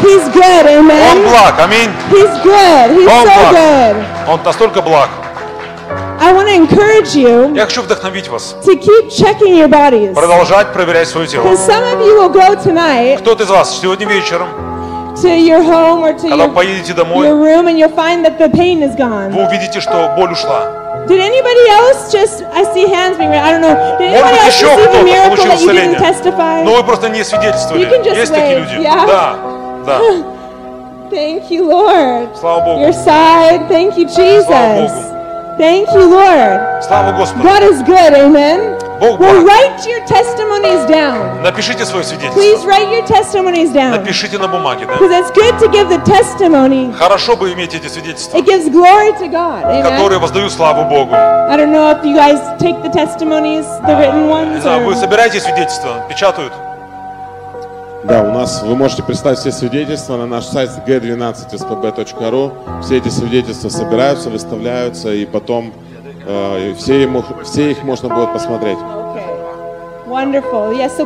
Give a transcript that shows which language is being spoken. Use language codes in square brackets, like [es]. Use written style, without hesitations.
[en] He's good, amen. [ru] Он благ, аминь. [en] He's good. He's [ru] он [en] so [ru] благ. [en] Good. [ru] Он настолько благ. [en] I want to encourage you. [ru] Я хочу вдохновить вас. [en] To keep checking your bodies. [ru] Продолжать проверять свое тело. [en] Because some of you will go tonight. [ru] Кто-то из вас сегодня вечером. [en] To your home or to [ru] когда поедете домой. [en] Your room and you'll find that the pain is gone. [ru] Вы увидите, что боль ушла. [en] Did anybody else just? I see hands being raised. I don't know. Did [ru] может [en] anybody a miracle that you [ru] исцеление. [en] Didn't testify? [ru] Но вы просто не свидетельствовали. [en] You can just [ru] есть [en] wait. [ru] Такие люди. [en] Yeah. [ru] Да. Да. [en] Thank you, Lord. [ru] Слава Богу. [en] Your side. Thank you, Jesus. [ru] Слава Богу. [en] Thank you, Lord. [ru] Слава Господу. [en] God is good. Amen. [ru] Бог [en] well, [ru] благ. [en] Write your testimonies down. [ru] Напишите свое свидетельство. [en] Please write your testimonies down. [ru] Напишите на бумаге, да. [en] Because it's good to give the testimony. [ru] Хорошо бы иметь эти свидетельства. [en] It gives glory to God. Amen. [ru] Которые воздают славу Богу. [en] I don't know if you guys take the testimonies, the written ones. [ru] Да, вы собираете свидетельства, печатают. Да, у нас, вы можете представить все свидетельства на наш сайт g12spb.ru. Все эти свидетельства собираются, выставляются, и потом все их можно будет посмотреть. [en] Okay. Wonderful. Yes, so